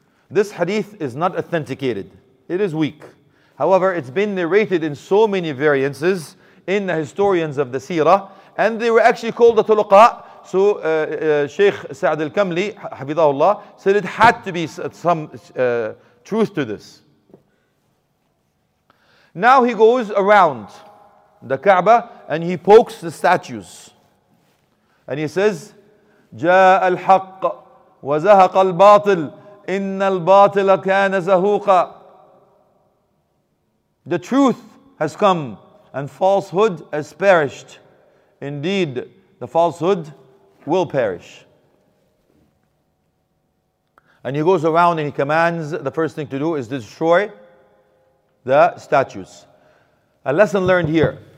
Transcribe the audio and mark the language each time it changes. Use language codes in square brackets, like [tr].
[en] This hadith is not authenticated. It is weak. However, it's been narrated in so many variances in the historians of the seerah, and they were actually called the tulqa. So Sheikh Sa'd al-Kamli, hafidhahullah, said it had to be some truth to this. Now he goes around the Kaaba and he pokes the statues. And he says, [ar] جَاءَ الْحَقَّ وَزَهَقَ الْبَاطِلِ إِنَّ الْبَاطِلَ كَانَ زَهُوقًا. [en] The truth has come and falsehood has perished. Indeed, the falsehood will perish. And he goes around and he commands, the first thing to do is destroy the statues. A lesson learned here.